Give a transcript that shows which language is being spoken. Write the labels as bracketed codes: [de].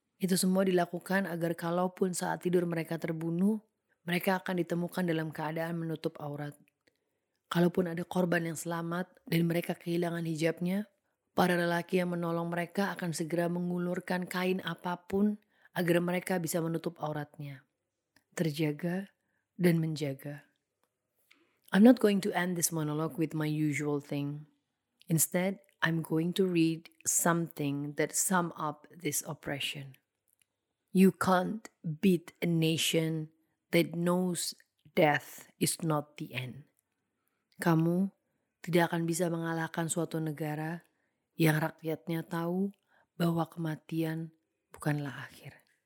[id] Itu semua dilakukan agar kalaupun saat tidur mereka terbunuh, mereka akan ditemukan dalam keadaan menutup aurat. Kalaupun ada korban yang selamat dan mereka kehilangan hijabnya, para lelaki yang menolong mereka akan segera mengulurkan kain apapun agar mereka bisa menutup auratnya. Terjaga dan menjaga. [en] I'm not going to end this monologue with my usual thing. Instead, I'm going to read something that sum up this oppression. You can't beat a nation that knows death is not the end. [id] Kamu tidak akan bisa mengalahkan suatu negara yang rakyatnya tahu bahwa kematian bukanlah akhir.